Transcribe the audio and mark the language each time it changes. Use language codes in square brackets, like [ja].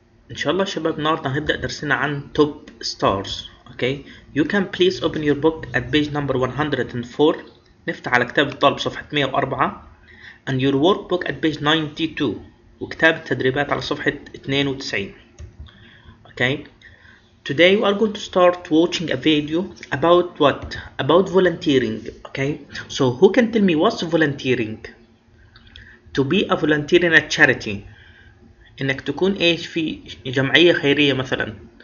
[ar] إن شاء الله شباب النهارده هنبدأ درسنا عن توب ستارز. [en] Okay, you can please open your book at page number 104. [ar] نفتح على كتاب الطالب صفحة 104، [en] and your workbook at page [ar] 92، وكتاب التدريبات على صفحة 92. [en] Okay, today we are going to start watching a video about what? About volunteering. Okay, so who can tell me what's volunteering? To be a volunteer in a charity. [ar] انك تكون ايش في جمعية خيرية مثلا.